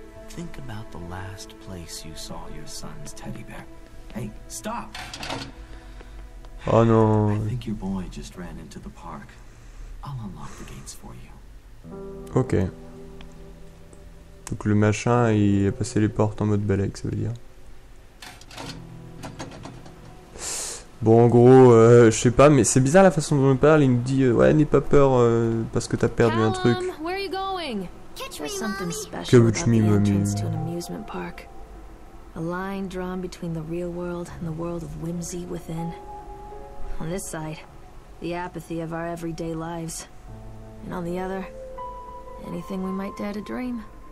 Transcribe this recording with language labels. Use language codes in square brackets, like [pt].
[en] Think about the last place you saw your son's teddy bear. Hey, stop! [fr] Oh non. [en] I think your boy just ran into the park. I'll unlock the gates for you. Ok. [fr] Donc le machin, il a passé les portes en mode balèque, ça veut dire. Bon, en gros, je sais pas, mais c'est bizarre la façon dont on parle. Il nous dit, ouais, n'aie pas peur parce que t'as perdu un truc. [en] Catch me, mommy. To an amusement park. A line drawn between the real world and the world of whimsy within. On this side, the apathy of our everyday lives. And on the other, anything we might dare to dream.